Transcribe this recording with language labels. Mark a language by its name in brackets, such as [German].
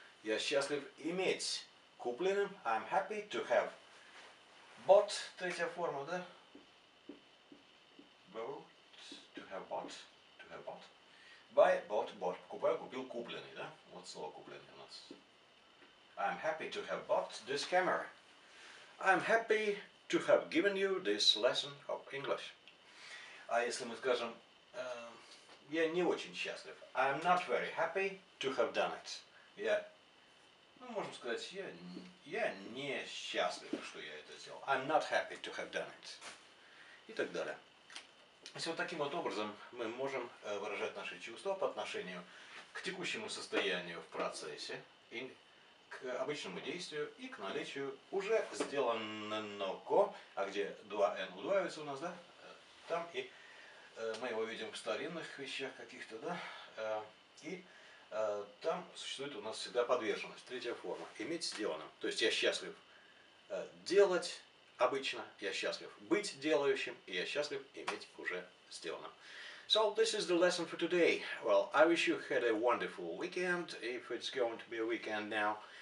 [Russian] Я счастлив иметь купленным. [English] I'm happy to have bought, [Russian] третья форма, да? [English] Bought, to have bought, to have bought. Buy, bought, bought. [Russian] Покупаю, купил, купленный, да? Вот слово купленный у нас. [English] I'm happy to have bought this camera. I'm happy to have given you this lesson of English. [Russian] А если мы скажем, я не очень счастлив. [English] I'm not very happy to have done it. [Russian] Мы можем сказать, я не счастлив, что я это сделал. [English] I'm not happy to have done it. [Russian] И так далее. Вот таким вот образом мы можем выражать наши чувства по отношению к текущему состоянию в процессе, к обычному действию и к наличию уже сделанного, а где 2N удваивается у нас, да, там и мы его видим в старинных вещах каких-то, да, и там существует у нас всегда подверженность, третья форма, иметь сделанным, то есть я счастлив делать обычно, я счастлив быть делающим, и я счастлив иметь уже сделанным. [English] So this is the lesson for today. Well, I wish you had a wonderful weekend, if it's going to be a weekend now.